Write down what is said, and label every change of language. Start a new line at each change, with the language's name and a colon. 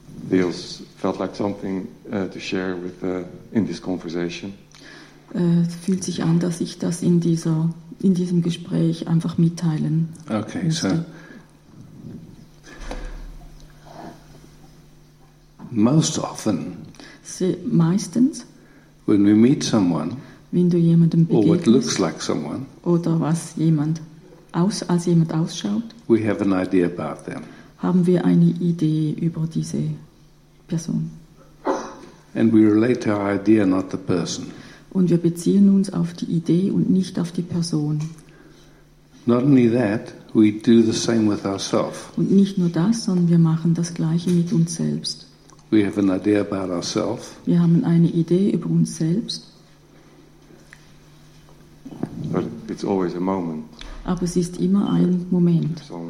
English: Feels felt like something to share with in this conversation.
German: Fühlt sich an, dass ich das in dieser in diesem Gespräch einfach mitteilen.
English: Okay,
German: müsste.
English: So most often.
German: Meistens.
English: When we meet someone.
German: Wenn du jemandem begegnest.
English: Or what looks like someone.
German: Oder was jemand aus als jemand ausschaut.
English: We have an idea about them.
German: Haben wir eine Idee über diese Person.
English: And we relate to our idea, not the person.
German: Und wir beziehen uns auf die Idee und nicht auf die Person.
English: Not only that, we do the same with ourselves.
German: Und nicht nur das, sondern wir machen das Gleiche mit uns selbst.
English: We have an idea about ourselves.
German: Wir haben eine Idee über uns selbst.
English: But it's always a moment.
German: Aber es ist immer ein Moment.